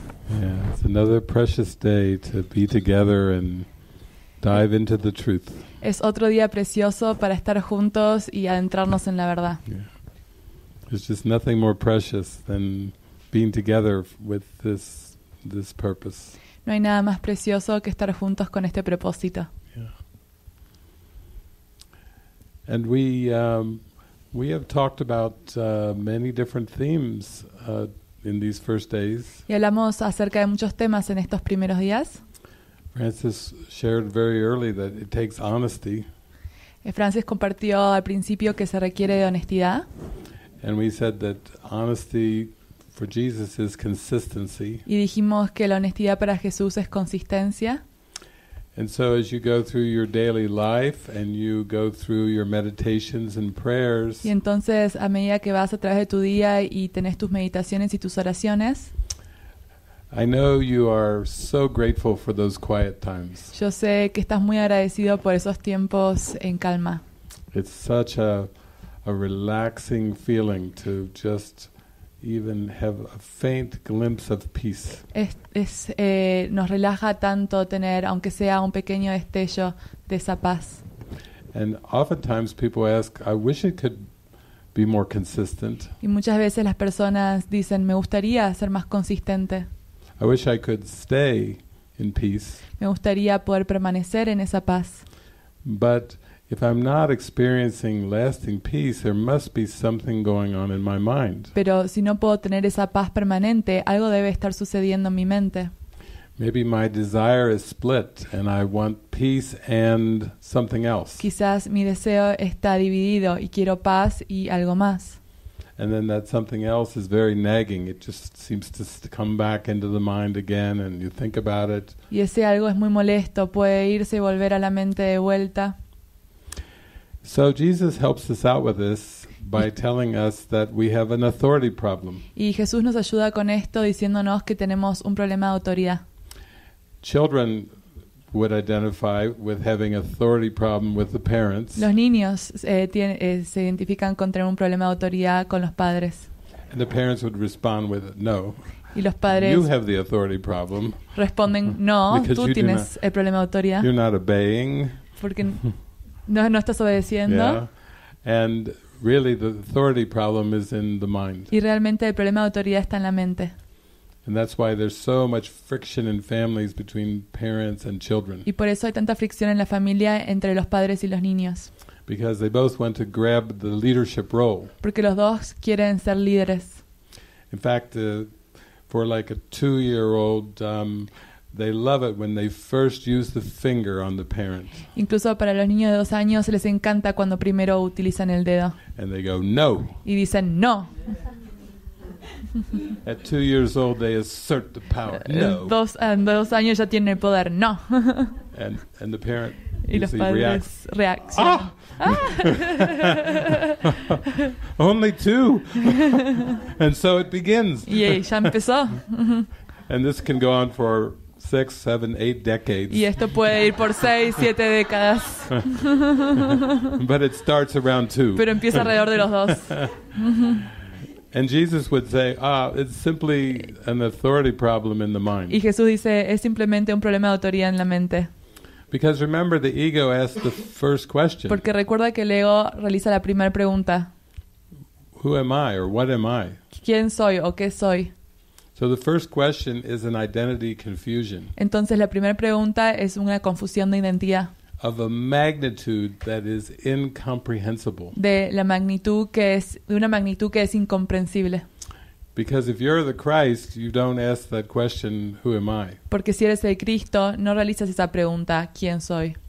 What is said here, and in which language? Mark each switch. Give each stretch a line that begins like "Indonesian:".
English: Yeah, it's another precious day to be together and dive into the truth.
Spanish: Es otro día precioso para estar juntos y adentrarnos en la verdad.
English: Yeah. There's just nothing more precious than being together with this purpose.
Spanish: No hay nada más precioso que estar juntos con este propósito.
English: Yeah. And we have talked about many different themes in these first days.
Spanish: Y hablamos acerca de muchos temas en estos primeros días.
English: Francis shared very early that it takes honesty.
Spanish: Francis compartió al principio que se requiere de honestidad.
English: And we said that honesty for Jesus is consistency.
Spanish: Y dijimos que la honestidad para Jesús es consistencia.
English: And so as you go through your daily life and you go through your meditations and prayers.
Spanish: Y entonces a medida que vas a través de tu día y tenés tus meditaciones y tus oraciones.
English: I know you are so grateful for those quiet times.
Spanish: Yo sé que estás muy agradecido por esos tiempos en calma.
English: It's such a relaxing feeling to just even have a faint glimpse of peace.
Spanish: Nos relaja tanto tener, aunque sea un pequeño destello de esa paz.
English: And oftentimes people ask, I wish it could be more consistent.
Spanish: Y muchas veces las personas dicen, me gustaría ser más consistente.
English: I wish I could stay in peace.
Spanish: Me gustaría poder permanecer en esa paz.
English: But if I'm not experiencing lasting peace, there must be something going on in my mind.
Spanish: Pero si no puedo tener esa paz permanente, algo debe estar sucediendo en mi mente.
English: Maybe my desire is split and I want peace and something else.
Spanish: Quizás mi deseo está dividido y quiero paz y algo más.
English: And then that something else is very nagging. It just seems to come back into the mind again and you think about it.
Spanish: Y ese algo es muy molesto, puede irse y volver a la mente de vuelta.
English: So Jesus helps us out with this by telling us that we have an authority problem.
Spanish: Y Jesús nos ayuda con esto diciéndonos que tenemos un problema de autoridad.
English: Children would identify with having authority problem with the parents.
Spanish: Los niños se identifican con tener un problema de autoridad con los padres.
English: And the parents would respond with no.
Spanish: Y los padres
English: you have the authority problem.
Spanish: Responden no, tú tienes el problema de autoridad.
English: You're not obeying.
Spanish: Porque no estás obedeciendo.
English: Yeah. And really the authority problem is in the mind.
Spanish: Y realmente el problema de autoridad está en la mente.
English: And that's why there's so much friction in families between parents and children.
Spanish: Y por eso hay tanta fricción en la familia entre los padres y los niños.
English: Because they both want to grab the leadership role.
Spanish: Porque los dos quieren ser líderes.
English: In fact, for like a 2-year-old, they love it when they first use the finger on the parent.
Spanish: Incluso para los niños de 2 años les encanta cuando primero utilizan el dedo.
English: And they go no.
Spanish: Y dicen no.
English: At 2 years old, they assert the power. No.
Spanish: Dos años ya tienen el poder. No.
English: And the parent.
Spanish: Y los padres reaccionan.
English: Ah! Only two. And so it begins.
Spanish: Y ya empezó.
English: And this can go on for 6, 7, 8 decades.
Spanish: Y esto puede ir por 6, 7 décadas.
English: But it starts around 2.
Spanish: Pero empieza alrededor de los 2.
English: And Jesus would say, it's simply an authority problem in the mind.
Spanish: Y Jesús dice, es simplemente un problema de autoridad en la mente.
English: Because remember, the ego asks the first question.
Spanish: Porque recuerda que el ego realiza la primera pregunta.
English: Who am I or what am I?
Spanish: ¿Quién soy o qué soy?
English: So the first question is an identity confusion.
Spanish: Entonces la primera pregunta es una confusión de identidad.
English: Of a magnitude that is incomprehensible.
Spanish: De la magnitud que es de una magnitud que es incomprensible.
English: Because if you're the Christ, you don't ask that question, who am I?
Spanish: Porque si eres el Cristo, no realizas esa pregunta, ¿quién soy?